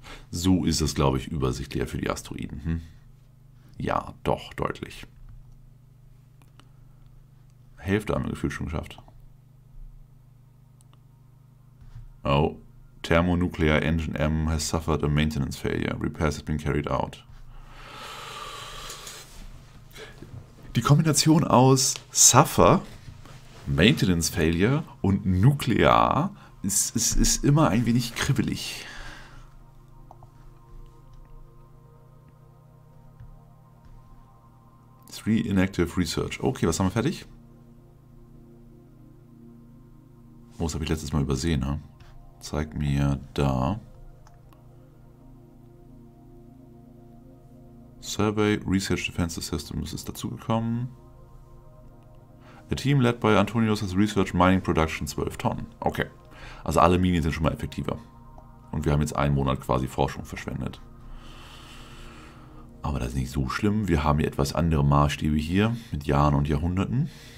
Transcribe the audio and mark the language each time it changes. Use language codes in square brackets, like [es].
[de] So ist es, glaube ich, übersichtlicher für die Asteroiden. Hm? Ja, doch, deutlich. Hälfte haben wir gefühlt schon geschafft. Oh, [en] Thermonuclear Engine M has suffered a maintenance failure. Repairs have been carried out. [de] Die Kombination aus suffer, maintenance failure und nuklear ist immer ein wenig kribbelig. [en] Three inactive research. [de] Okay, was haben wir fertig? Oh, das habe ich letztes Mal übersehen, ne? Zeig mir da. Survey, Research Defensive Systems ist dazugekommen. [en] A team led by Antonios has researched mining production 12 Tonnen. [de] Okay, also alle Minen sind schon mal effektiver. Und wir haben jetzt einen Monat quasi Forschung verschwendet. Aber das ist nicht so schlimm. Wir haben hier etwas andere Maßstäbe hier mit Jahren und Jahrhunderten.